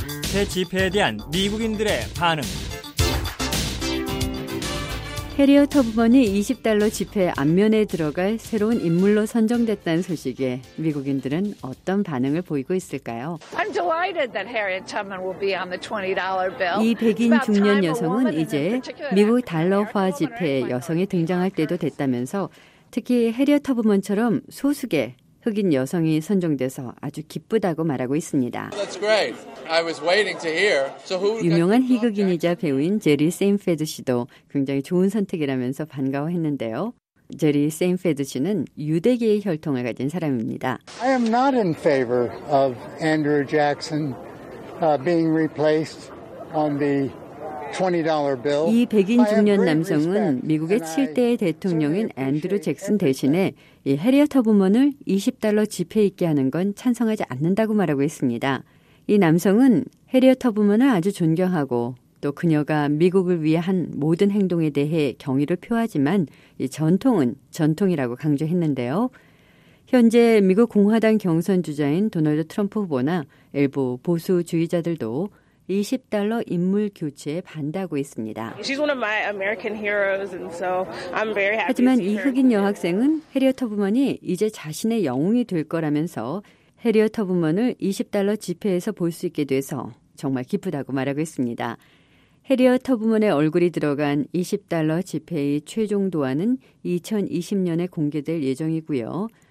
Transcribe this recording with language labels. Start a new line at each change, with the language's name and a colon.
Korean: 새 집회에 대한 미국인들의 반응. 해리어 터브먼이 20달러 지폐 앞면에 들어갈 새로운 인물로 선정됐다는 소식에 미국인들은 어떤 반응을 보이고 있을까요?
English: I'm delighted that Harriet Tubman will be on the $20 bill.
Korean: 이 백인 중년 여성은 이제 미국 달러화 지폐에 여성이 등장할 때도 됐다면서 특히 해리어 터브먼처럼 소수계 흑인 여성이 선정돼서 아주 기쁘다고 말하고 있습니다.
English: That's great. I was waiting to hear. So who
Korean: 유명한 희극인이자 배우인 제리 세인페드 씨도 굉장히 좋은 선택이라면서 반가워했는데요. 제리 세인페드 씨는 유대계의 혈통을 가진 사람입니다.
English: I am not in favor of Andrew Jackson being replaced on the $20 bill.
Korean: 이 백인 중년 남성은 미국의 7대의 대통령인 앤드루 잭슨 대신에 이 해리어 터브먼을 20달러 지폐 있게 하는 건 찬성하지 않는다고 말하고 있습니다. 이 남성은 해리어 터브먼을 아주 존경하고 또 그녀가 미국을 위해 한 모든 행동에 대해 경의를 표하지만 이 전통은 전통이라고 강조했는데요. 현재 미국 공화당 경선 주자인 도널드 트럼프 후보나 일부 보수주의자들도 20달러 인물 교체에 반대하고 있습니다.
English: She's one of my American heroes, and so I'm very happy.
Korean: 하지만 이 흑인 여학생은 해리어 터브먼이 이제 자신의 영웅이 될 거라면서 해리어 터브먼을 20달러 지폐에서 볼 수 있게 돼서 정말 기쁘다고 말하고 있습니다. 해리어 터브먼의 얼굴이 들어간 20달러 지폐의 최종 도안은 2020년에 공개될 예정이고요.